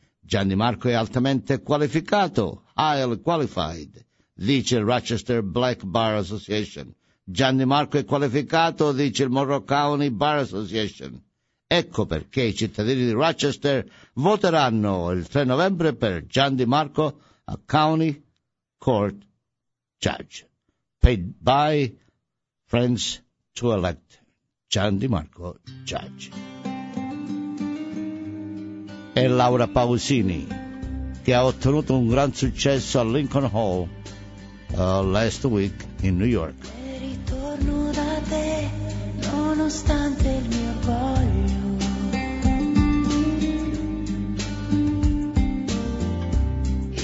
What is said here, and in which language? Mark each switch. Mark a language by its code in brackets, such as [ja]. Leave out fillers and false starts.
[it] Gian Di Marco è altamente qualificato, [en] highly qualified, [it] dice Rochester Black Bar Association. Gian Di Marco è qualificato, dice il Monroe County Bar Association. Ecco perché i cittadini di Rochester voteranno il 3 novembre per Gian Di Marco a County Court Judge. [en] Paid by friends to elect Gian Di Marco Judge. [it] È Laura Pausini, che ha ottenuto un gran successo a Lincoln Hall [en] last week [it] in New York. E ritorno da te, nonostante il mio voglio.